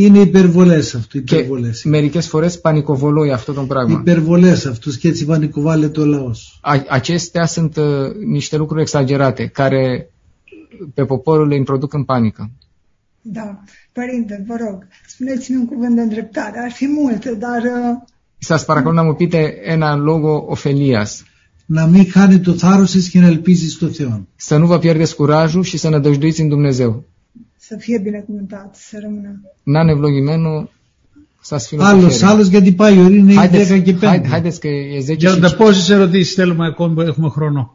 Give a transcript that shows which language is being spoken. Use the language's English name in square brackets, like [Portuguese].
[Greek] Είναι υπερβολές αυτό, υπερβολές. Μερικές φορές πανικοβολούει αυτό το πράγμα. Υπερβολές αυτούς και έτσι πανικοβάλλεται ο λαός. [Romanian] Acestea sunt niște lucruri exagerate, care pe poporul îi produc în panică. Da. Părinte, vă rog, spuneți-mi un cuvânt de îndreptare. Ar fi multe, dar... [Greek] Σας παρακαλώ να μου πείτε ένα λόγο ωφελίας. Να μην χάνει το θάρρος σας και να ελπίζεις στο Θεό. [Romanian] Să nu vă pierdeți curajul și să nădăjduiți în Dumnezeu. Să fie binecuvântat, să rămână. [Greek] Να είναι ευλογημένο, σας φιλοξενώ. Άλλος, γιατί πάει η ώρα, είναι η 10 και 5. [Romanian] Haideți că e 10 [Greek] και 5. Πόσες ερωτήσεις θέλουμε ακόμα, έχουμε χρόνο.